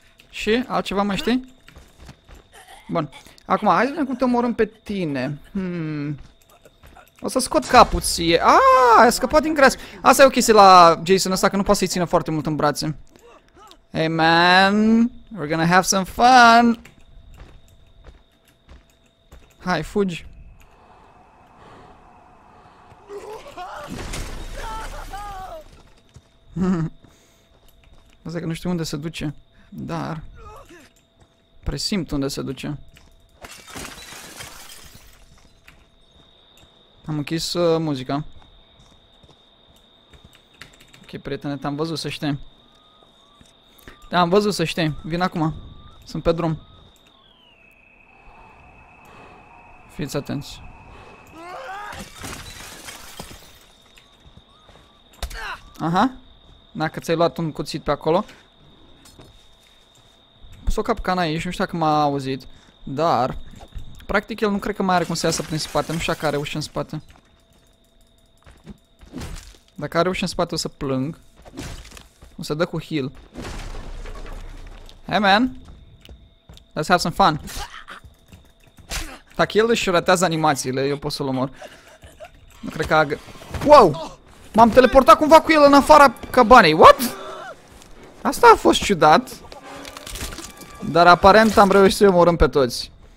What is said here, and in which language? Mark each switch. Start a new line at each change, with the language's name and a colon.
Romanian: Și? Altceva mai știi? Bun. Acum, hai să vedem cum te omorâm pe tine. O să scot capul ție. Ai scăpat din creas. Asta e o chestie la Jason ăsta, că nu poate să-i țină foarte mult în brațe.
English: Hey, man. We're gonna have some fun.
Romanian: Hai, fugi. Asta e că nu știu unde se duce. Dar... Presimt unde se duce. Am închis muzica. Ok, prietene, te-am văzut, să știi. Te-am văzut, să știi. Vin acum. Sunt pe drum. Fiți atenți. Aha. Dacă ți-ai luat un cuțit pe acolo. S-a s-o capcana aici, nu știu dacă m-a auzit. Dar practic el nu cred că mai are cum să iasă prin spate. Nu știu dacă are ușă în spate. Dacă are ușă în spate o să plâng. O să dă cu heal.
English: Hey man, let's have some fun.
Romanian: Dacă el își ratează animațiile, eu pot să-l omor. Nu cred că agă. Wow, m-am teleportat cumva cu el în afara cabanei. What? Asta a fost ciudat. Dar aparent am reușit să-i omorâm pe toți.